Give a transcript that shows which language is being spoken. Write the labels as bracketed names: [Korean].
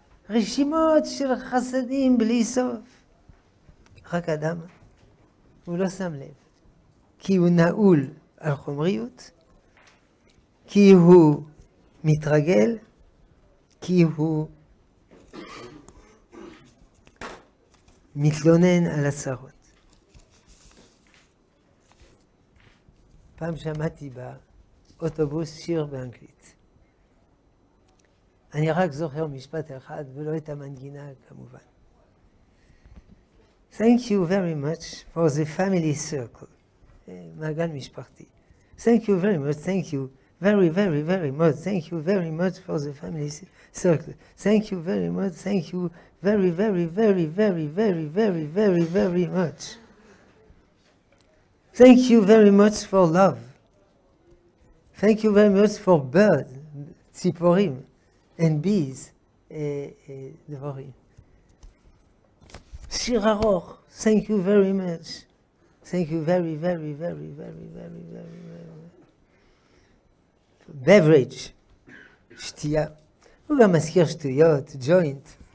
[Hebrew] רשימות של חסדים בלי סוף. רק אדם, הוא לא שם לב, כי הוא נעול על חומריות, כי הוא מתרגל, כי הוא מתלונן על הצרות. פעם שמעתי באוטובוס שיר באנגלית. אני רק זוכר משפט אחד ולא את המנגינה כמובן. [English] Thank you very much for the family circle. [Hebrew] מעגל משפחתי. [English] Thank you very much, thank you. Very, very, very much. Thank you very much for the family circle. Thank you very much. Thank you very, very, very, very, very, very, very, very much. Thank you very much for love. Thank you very much for birds, tziporim, and bees, dvorim. [Hebrew] Shir aroch. [English] Thank you very much. Thank you very, very, very, very, very, very, very. Beverage, [Hebrew] שתייה. הוא גם מזכיר שטויות, ג'וינט.